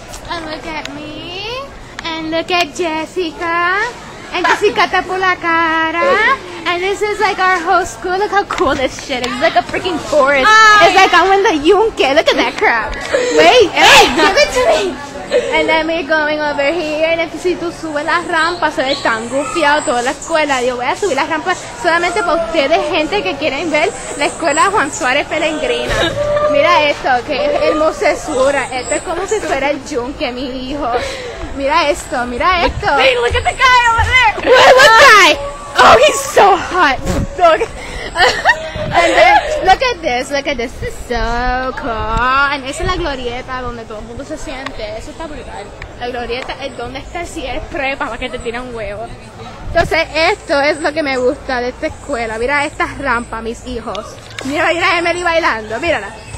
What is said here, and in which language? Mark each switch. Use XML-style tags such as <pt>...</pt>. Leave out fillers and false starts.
<en>And look at me. And look at Jessica. And Jessica Tapulacara. And this is like our whole school. Look how cool this shit is. It's like a freaking forest. Hi. It's like I'm in the Yunque. Look at that crap. Wait. Hey, give it to me. And then we're going over here.</en> <es>Necesito sube las rampas. Se ve tan gufiado toda la escuela. Yo voy a subir las rampas solamente para ustedes, gente que quieren ver la escuela Juan Suárez Pellegrina. Mira esto, qué hermosura. Esto es como si fuera el Yunque, mi hijo. Mira esto, mira esto.</es> <en>Hey, look at the guy over there. What guy? Oh, he's so hot. Look. And then look at this, look at this. This is so cool. And</en> <es>esa es la glorieta donde todo el mundo se siente. Eso está brutal. La glorieta es donde está si es prepa para que te tiren un huevo. Entonces esto es lo que me gusta de esta escuela. Mira estas rampas, mis hijos. Mira, mira a Emily bailando. Mírala.</es>